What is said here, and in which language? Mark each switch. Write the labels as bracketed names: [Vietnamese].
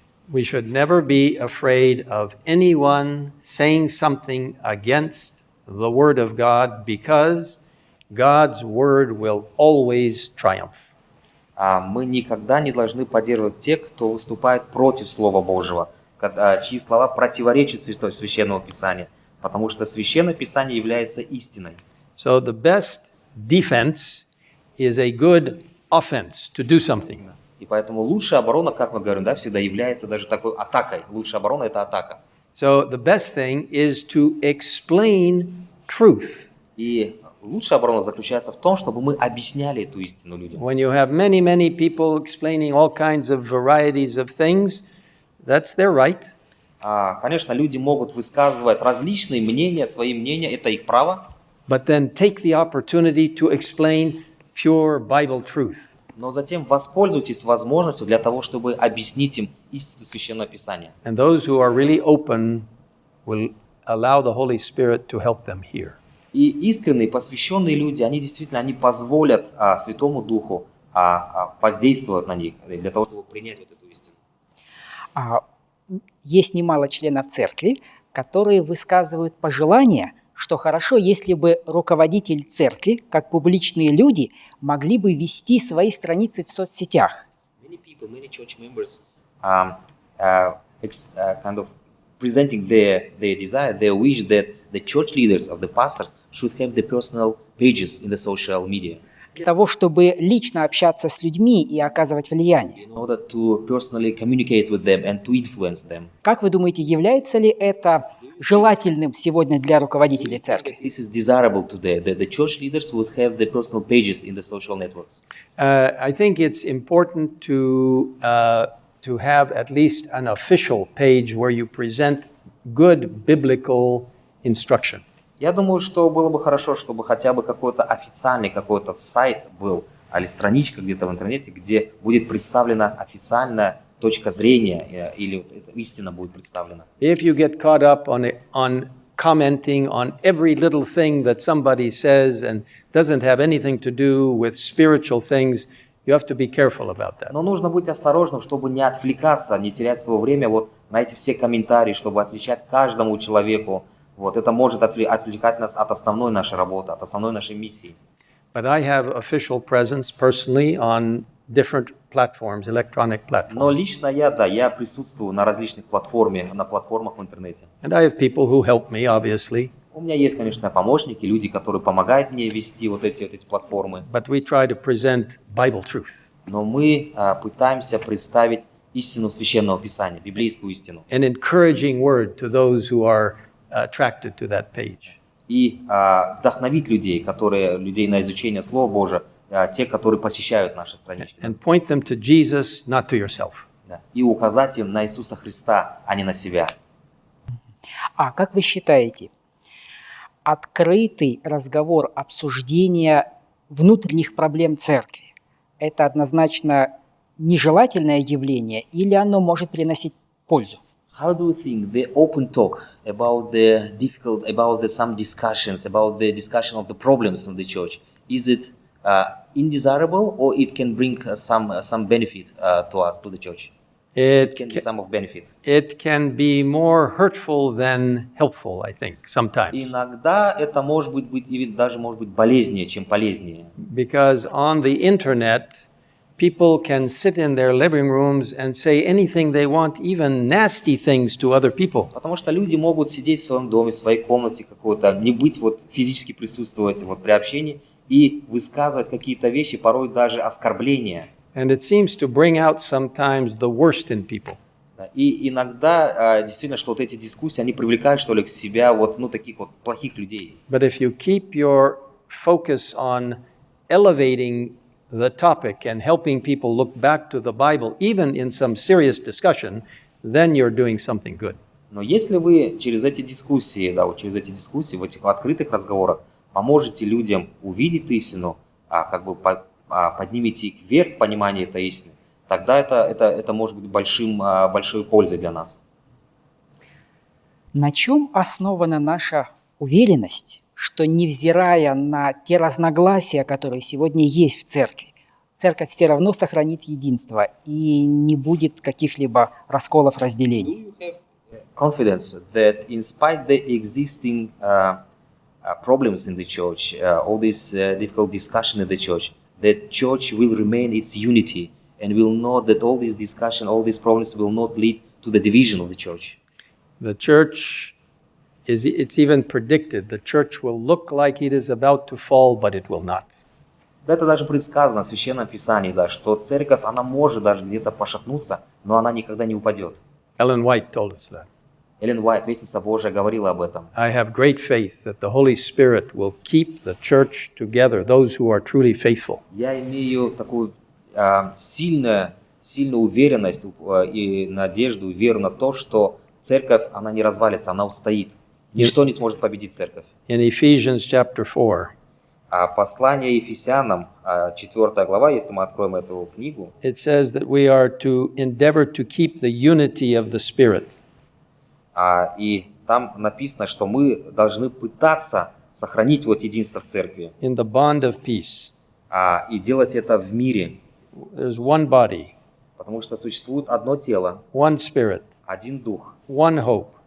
[English] We should never be afraid of anyone saying something against the word of God, because God's word will always triumph. [Russian] Мы никогда не должны поддерживать тех, кто выступает против Слова Божьего, чьи слова противоречат Священному Писанию, потому что Священное Писание является истиной. [English] So the best defense is a good offense to do something. [Russian] И поэтому лучшая оборона, как мы говорим, да, всегда является даже такой атакой. Лучшая оборона – это атака. [English] So the best thing is to explain truth. [Russian] И лучшая оборона заключается в том, чтобы мы объясняли эту истину людям. [English] When you have many, many people explaining all kinds of varieties of things, that's their right. [Russian] Конечно, люди могут высказывать различные мнения, свои мнения, это их право. [English] But then take the opportunity to explain pure Bible truth. [Russian] Но затем воспользуйтесь возможностью для того, чтобы объяснить им истину Священного Писания. [English] And those who are really open will allow the Holy Spirit to help them hear. [Russian] И искренние, посвященные люди, они действительно, они позволят Святому Духу воздействовать на них для того, чтобы принять вот эту истину. Есть немало членов церкви, которые высказывают пожелания, что хорошо, если бы руководитель церкви, как публичные люди, могли бы вести свои страницы в соцсетях. [English] Many people, many church members kind of presenting their desire, their wish that the church leaders of the pastors should have the personal pages in the social media. [Russian] Для того, чтобы лично общаться с людьми и оказывать влияние. [English] In order to personally communicate with them and to influence them. [Russian] Как вы думаете, является ли это желательным сегодня для руководителей церкви? [English] This is desirable today, that the church leaders would have the personal pages in the social networks. I think it's important to have at least an official page where you present good biblical instruction. [Russian] Я думаю, что было бы хорошо, чтобы хотя бы какой-то официальный какой-то сайт был, или страничка где-то в интернете, где будет представлена официальная точка зрения, или истина будет представлена. [English] If you get caught up on commenting on every little thing that somebody says and doesn't have anything to do with spiritual things, you have to be careful about that. [Russian] Но нужно быть осторожным, чтобы не отвлекаться, не терять свое время вот на эти все комментарии, чтобы отвечать каждому человеку. Вот это может отвлекать нас от основной нашей работы, от основной нашей миссии. [English] But I have official presence personally on different platforms, electronic platforms. [Russian] Но лично я, да, я присутствую на различных платформах, на платформах в интернете. [English] And I have people who help me, obviously. [Russian] У меня есть, конечно, помощники, люди, которые помогают мне вести вот эти платформы. [English] But we try to present Bible truth. [Russian] Но мы пытаемся представить истину Священного Писания, библейскую истину. [English] An encouraging word to those who are attracted to that page. [Russian] И вдохновить людей, которые людей на изучение Слова Божьего, те, которые посещают наши странички. [English] And point them to Jesus, not to yourself. [Russian] Да. И указать им на Иисуса Христа, а не на себя. А как вы считаете, открытый разговор, обсуждение внутренних проблем церкви, это однозначно нежелательное явление или оно может приносить пользу? [English] How do you think the open talk about the difficult, about the some discussions, about the discussion of the problems in the church, is it indesirable or it can bring some benefit to us, to the church? It can be some of benefit. It can be more hurtful than helpful, I think, sometimes. [Russian] Иногда это может быть, или даже может быть болезнее, чем полезнее. [English] Because on the internet, people can sit in their living rooms and say anything they want, even nasty things to other people. [Russian] Потому что люди могут сидеть в своем доме, в своей комнате какой-то, не быть вот физически присутствовать вот при общении и высказывать какие-то вещи, порой даже оскорбления. [English] And it seems to bring out sometimes the worst in people. [Russian] И иногда действительно, что вот эти дискуссии, они привлекают что ли к себя вот ну таких вот плохих людей. [English] But if you keep your focus on elevating the topic and helping people look back to the Bible, even in some serious discussion, then you're doing something good. [Russian] Но если вы через эти дискуссии, да, вот через эти дискуссии, в этих открытых разговорах поможете людям увидеть истину, поднимите их вверх понимание этой истины, тогда это может быть большой пользой для нас. На чем основана наша уверенность, что невзирая на те разногласия, которые сегодня есть в церкви, церковь все равно сохранит единство и не будет каких-либо расколов, разделений? [English] Do you have confidence that in spite the existing problems in the church, all this difficult discussion in the church, that church will remain its unity and will not, that all this discussion, all these problems will not lead to the division of the church? The church is, it's even predicted, the church will look like it is about to fall, but it will not. [Russian] Да, это даже предсказано в Священном Писании, да, что церковь, она может даже где-то пошатнуться, но она никогда не упадет. [English] Эллен Уайт told us that. [Russian] Эллен Уайт, Вестница Божия, говорила об этом. [English] I have great faith that the Holy Spirit will keep the church together, those who are truly faithful. [Russian] Я имею такую сильную уверенность и надежду, веру на то, что церковь, она не развалится, она устоит. Ничто не сможет победить церковь. [English] In Ephesians chapter 4. [Russian] А послание Ефесянам, 4 глава, если мы откроем эту книгу. [English] It says that we are to endeavor to keep the unity of the Spirit. [Russian] И там написано, что мы должны пытаться сохранить вот единство в церкви. [English] In the bond of peace. [Russian] И делать это в мире. [English] There's one body. [Russian] Потому что существует одно тело. [English] One Spirit. [Russian] Один дух. [English] One hope.